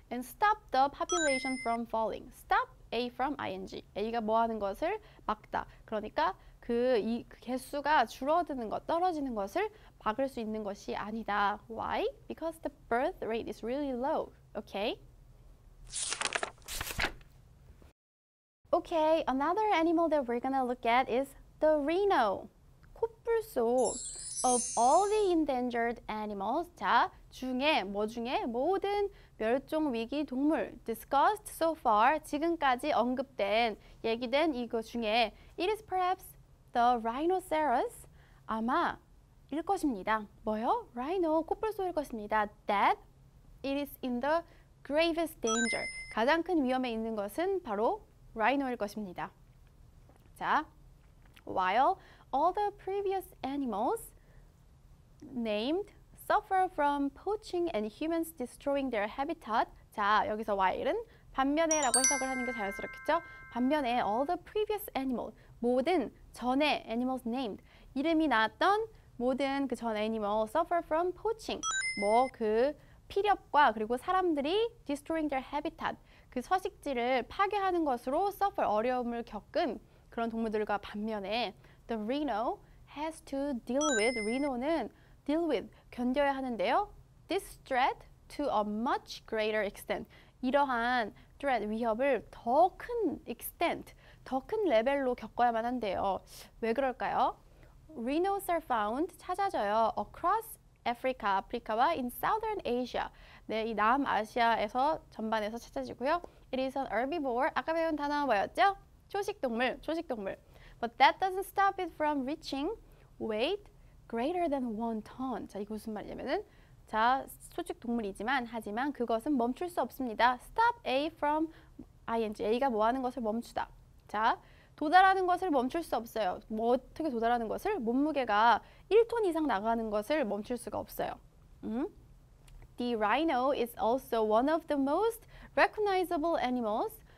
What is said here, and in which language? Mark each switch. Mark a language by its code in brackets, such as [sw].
[en] and stop the population from falling stop A from ING. [ko] A가 뭐 하는 것을 막다. 그러니까 그 개수가 줄어드는 것, 떨어지는 것을 막을 수 있는 것이 아니다. [en] Why? Because the birth rate is really low. Okay? Okay, another animal that we're gonna look at is The rhino, 코뿔소. Of all the endangered animals, 자, 중에, 뭐 중에 [ko] 모든 멸종 위기 동물 [en] discussed so far, [ko] 지금까지 언급된, 얘기된 이거 중에 [en] it is perhaps the rhinoceros, 아마 일 것입니다. 뭐요? Rhino, [ko] 코뿔소일 것입니다. [en] That it is in the gravest danger. [ko] 가장 큰 위험에 있는 것은 바로 rhino일 것입니다. [en] 자, while all the previous animals named suffer from poaching and humans destroying their habitat. [ko] 자, 여기서 while은 반면에 라고 해석을 하는 게 자연스럽겠죠? 반면에 all the previous animals, 모든 전에 animals named, 이름이 나왔던 모든 그 전 animal [en] suffer from poaching. [ko] 뭐 그 피렵과 그리고 사람들이 destroying their habitat, 그 서식지를 파괴하는 것으로 suffer, 어려움을 겪은 그런 동물들과 반면에 the rhino has to deal with, rhino는 deal with, 견뎌야 하는데요. [en] This threat to a much greater extent. [ko] 이러한 threat, 위협을 더 큰 extent, 더 큰 레벨로 겪어야만 한대요. 왜 그럴까요? [en] Rhinos are found, [ko] 찾아져요. [en] Across Africa, 아프리카와 in Southern Asia. [ko] 네, 이 남아시아에서 전반에서 찾아지고요. [en] It is an herbivore. [ko] 아까 배운 단어 뭐였죠? 초식동물, 초식동물. [en] But that doesn't stop it from reaching weight greater than one ton. [ko] 자, 이게 무슨 말이냐면은, 자, 초식 동물이지만, 하지만 그것은 멈출 수 없습니다. [en] Stop A from ING. [ko] A가 뭐 하는 것을 멈추다. 자, 도달하는 것을 멈출 수 없어요. 뭐 어떻게 도달하는 것을? 몸무게가 1톤 이상 나가는 것을 멈출 수가 없어요. 음? [en] The rhino is also one of the most recognizable animals.